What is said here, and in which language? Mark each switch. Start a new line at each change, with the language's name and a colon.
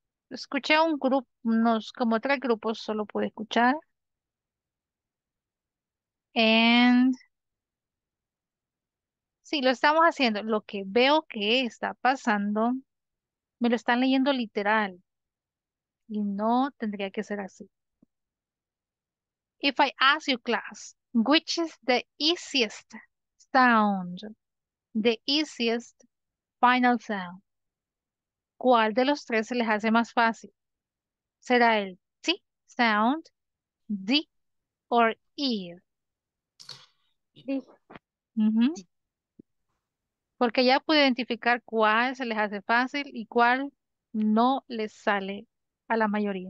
Spanish: Escuché un grupo, unos como tres grupos solo pude escuchar. And sí, lo estamos haciendo. Lo que veo que está pasando, me lo están leyendo literal. Y no tendría que ser así.
English: If I ask you, class, which is the easiest sound? The easiest final sound.
Spanish: ¿Cuál de los tres se les hace más fácil? ¿Será el T sound, D, or E? D. Porque ya pude identificar cuál se les hace fácil y cuál no les sale a la mayoría.